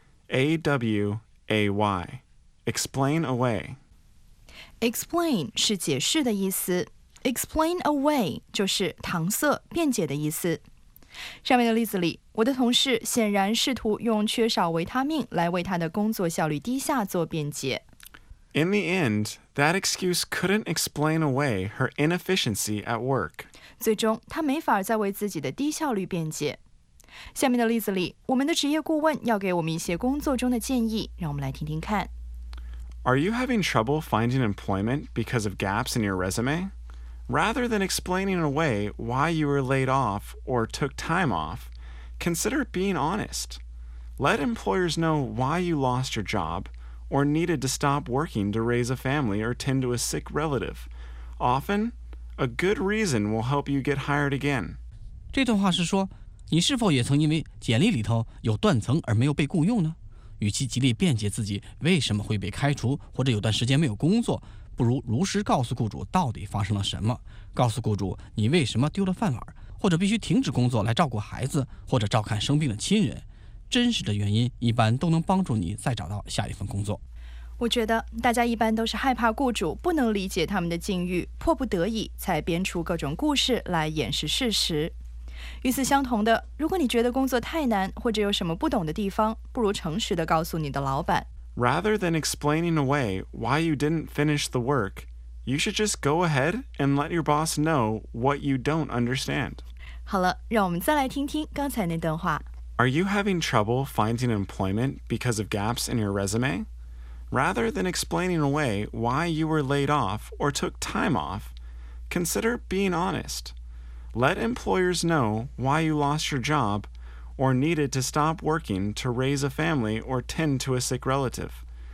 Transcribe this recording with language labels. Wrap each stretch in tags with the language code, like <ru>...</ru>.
<en>A-W-A-Y. Explain away.</en> <zh>Explain 是解释的意思。Explain away 就是搪塞、辩解的意思。上面的例子里，我的同事显然试图用缺少维他命来为他的工作效率低下做辩解。</zh> <en>In the end, that excuse couldn't explain away her inefficiency at work.</en> <zh>最终，他没法再为自己的低效率辩解。下面的例子里，我们的职业顾问要给我们一些工作中的建议，让我们来听听看。</zh> <en>Are you having trouble finding employment because of gaps in your resume? Rather than explaining away why you were laid off or took time off, consider being honest. Let employers know why you lost your job or needed to stop working to raise a family or tend to a sick relative. Often, a good reason will help you get hired again.</en> <zh>这段话是说，你是否也曾因为简历里头有断层而没有被雇佣呢？与其极力辩解自己为什么会被开除或者有段时间没有工作，不如如实告诉雇主到底发生了什么，告诉雇主你为什么丢了饭碗，或者必须停止工作来照顾孩子或者照看生病的亲人。真实的原因一般都能帮助你再找到下一份工作。我觉得大家一般都是害怕雇主不能理解他们的境遇，迫不得已才编出各种故事来掩饰事实。与此相同的，如果你觉得工作太难或者有什么不懂的地方，不如诚实地告诉你的老板。</zh> <en>Rather than explaining away why you didn't finish the work, you should just go ahead and let your boss know what you don't understand.</en> <zh>好了，让我们再来听听刚才那段话。</zh> <en>Are you having trouble finding employment because of gaps in your resume? Rather than explaining away why you were laid off or took time off, consider being honest. Let employers know why you lost your job or needed to stop working to raise a family or tend to a sick relative.</en>